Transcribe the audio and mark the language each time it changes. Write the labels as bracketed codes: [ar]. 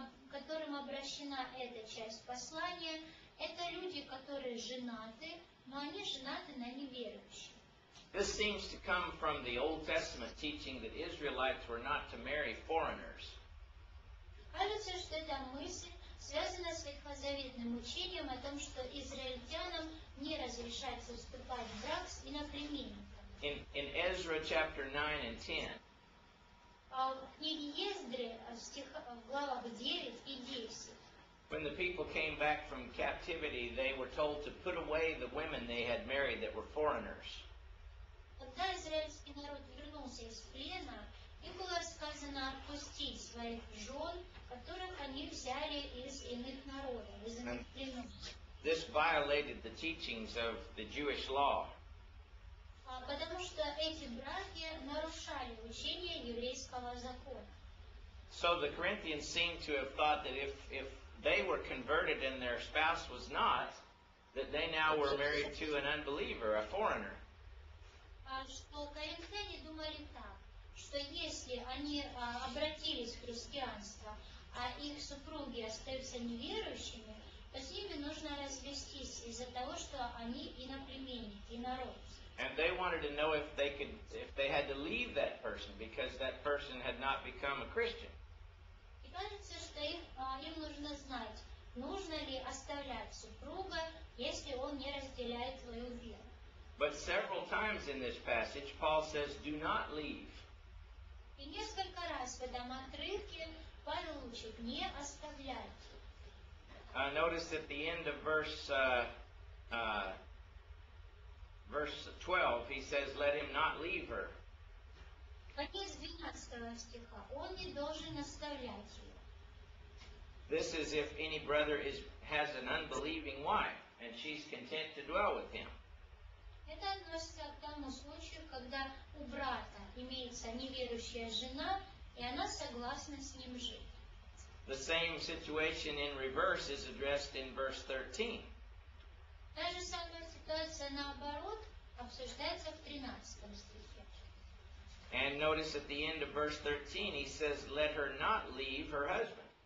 [ru] Которым обращена эта часть послания, это люди, которые женаты, но они женаты на неверующих. [en] This seems to come from the Old Testament teaching that Israelites were not to marry foreigners. [ru] Кажется, что эта мысль связана с ветхозаветным учением о том, что израильтянам не разрешается вступать в брак с иноплеменниками. [en] In Ezra chapter 9 and 10. [ru] В книге Ездры, главах 9 и 10. [en] When the people came back from captivity, they were told to put away the women they had married that were foreigners. [ru] Когда израильский народ вернулся из плена, им было сказано отпустить своих жен, которых они взяли из иных народов, из иных племен. [en] This violated the teachings of the Jewish law. [ru] Потому что эти браки нарушали учение еврейского закона. [en] So the Corinthians seem to have thought that if they were converted and their spouse was not, that they now were married to an unbeliever, a foreigner. [ru] Что коринфяне думали так, что если они обратились в христианство, а их супруги остаются неверующими, то с ними нужно развестись из-за того, что они иноплеменники, инородцы. [en] And they wanted to know if they could, if they had to leave that person because that person had not become a Christian. [ru] И кажется, что им нужно знать, нужно ли оставлять супруга, если он не разделяет свою веру. [en] But several times in this passage, Paul says, "Do not leave." [ru] И несколько раз в этом отрывке Павел учит не оставлять. [en] Notice at the end of verse 12, he says, "Let him not leave her." [ru] Конец 12 стиха. Он не должен оставлять ее. [en] This is if any brother has an unbelieving wife, and she's content to dwell with him. [ru] Это относится к тому случаю, когда у брата имеется неверующая жена, и она согласна с ним жить. [en] The same situation in reverse is addressed in verse 13. [ru] Та же самая ситуация наоборот обсуждается в 13 стихе. [en] And notice at the end of verse 13 he says, "Let her not leave her husband."